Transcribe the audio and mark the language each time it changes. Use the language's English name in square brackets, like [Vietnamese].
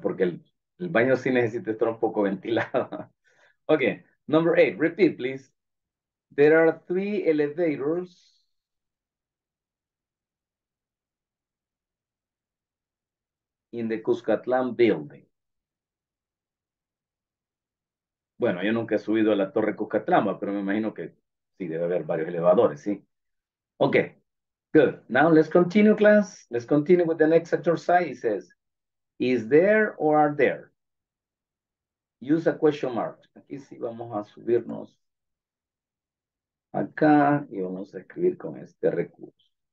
[Spanish] Porque el baño sí necesita estar un poco ventilado. [English] Okay, number 8, repeat please. There are three elevators in the Cuscatlán building. [Spanish] Bueno, yo nunca he subido a la Torre Cuscatlán, pero me imagino que sí debe haber varios elevadores, ¿sí? [English] Okay, good. Now let's continue, class. Let's continue with the next exercise. It says, is there or are there? Use a question mark. [Spanish] Aquí sí vamos a subirnos. Acá y vamos a escribir con este recurso.